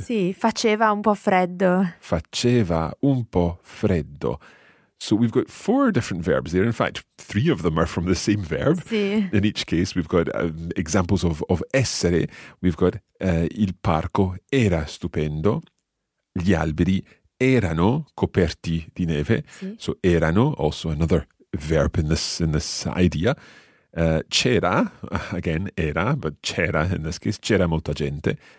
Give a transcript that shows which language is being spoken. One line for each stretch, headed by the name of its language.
Italian: Sì, faceva un po' freddo. Faceva un po' freddo.
English: So we've got four different verbs there. In fact, three of them are from the same verb.
Italian: Sì.
English: In each case, we've got examples of essere. We've got
Italian: il parco era stupendo. Gli alberi erano coperti di neve. Sì.
English: So erano, also another verb in this idea.
Italian: C'era, again, era, but c'era
English: in this case,
Italian: c'era molta gente.